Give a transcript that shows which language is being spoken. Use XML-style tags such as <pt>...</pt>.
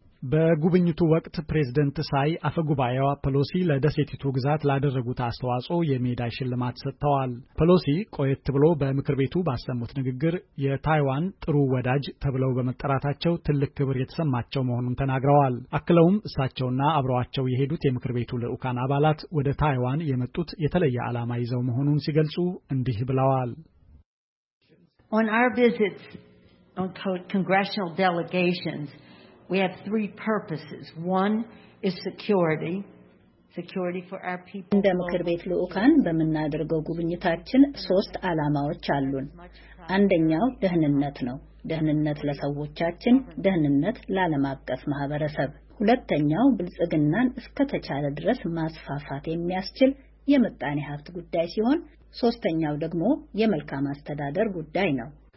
<am>በጉብኝቱ ወቅት ፕሬዝደንት ሳይ አፈጉባኤዋ ፖሎሲ ለደሴቲቱ ግዛት ላደረጉት አስተዋጽኦ የሜዳ ሽልማት ሰጥተዋል። ፖሎሲ ቆየት ብሎ በምክር ቤቱ ባሰሙት ንግግር የታይዋን ጥሩ ወዳጅ ተብለው በመጠራታቸው ትልቅ ክብር የተሰማቸው መሆኑን ተናግረዋል። አክለውም እሳቸውና አብረዋቸው የሄዱት የምክር ቤቱ ልዑካን አባላት ወደ ታይዋን የመጡት የተለየ ዓላማ ይዘው መሆኑን ሲገልጹ እንዲህ ብለዋል።</am> <en>On our visits on congressional delegations, we have three purposes. One is security. Security for our people.</en> <am>እንደ ምክር ቤት ልዑካን በመናደርገው ጉብኝታችን ሶስት ዓላማዎች አሉን። አንደኛው ደህንነት ነው። ደህንነት ለሰዎቻችን፣ ደህንነት ለዓለም አቀፍ ማህበረሰብ። ሁለተኛው ብልጽግናን እስከተቻለ ድረስ ማስፋፋት የሚያስችል የመጣኔ ሀብት ጉዳይ ሲሆን ሶስተኛው ደግሞ የመልካም አስተዳደር ጉዳይ ነው።</am>